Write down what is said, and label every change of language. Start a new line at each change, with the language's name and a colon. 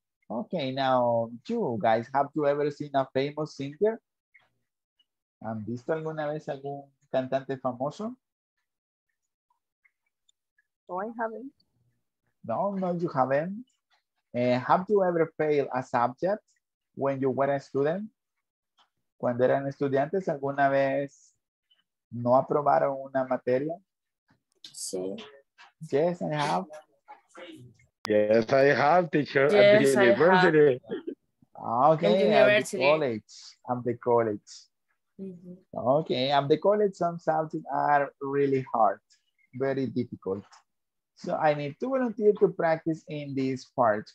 English: Okay, now you guys, have you ever seen a famous singer?
Spanish: ¿Han visto alguna vez algún cantante famoso?
English: No, I haven't. No, no, you haven't. Have you ever failed a subject when you were a student?
Spanish: Cuando eran estudiantes, ¿alguna vez no aprobaron una materia? Sí.
English: Yes, I have. Yes, I have, teacher, yes, at the university. Okay, at the college. Mm-hmm. Okay, at the college, some subjects are really hard, very difficult. So I need two volunteers to practice in these parts.